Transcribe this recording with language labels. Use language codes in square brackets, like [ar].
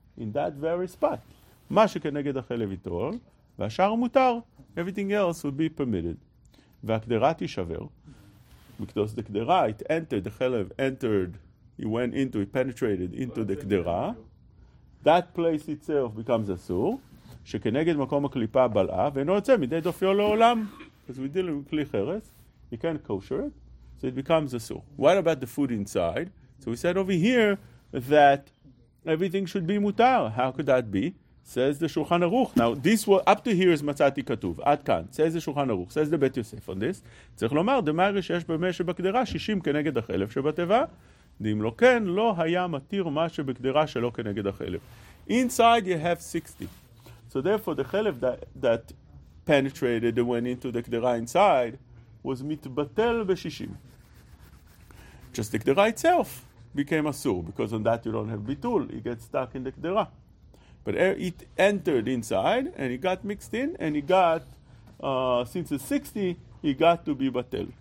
[en] In that very spot. Masha keneged achelev itol, v'ashar mutar, everything else would be permitted. V'akedera tishaver, because the kedera, it entered, the chelev entered, it went into, it penetrated into the kedera, that place itself becomes asur. [he] שכנגד מקום הקליפה בלעה, ואינו יוצא מדי דופיו לעולם. [en] Because we're dealing with כלי חרס, you can't kosher it, so it becomes אסור. What about the food inside? So we said over here that everything should be מותר. How could that be? Says the שולחן ערוך. Now, this was, up to here is מצאתי כתוב, עד כאן. Says the שולחן ערוך, says the בית יוסף on this. [he] צריך לומר, דמרי שיש במה שבקדרה, 60 כנגד החלב שבטבעה. אם לא כן, לא היה מתיר מה שבקדרה שלא כנגד החלב. [en] Inside you have 60. So therefore, the chelev that penetrated and went into the kedera inside was mitbatel b'shishim. Just the kedera itself became asur, because on that you don't have bitul, it gets stuck in the kedera. But it entered inside, and it got mixed in, and it got, since it's 60, it got to be batel.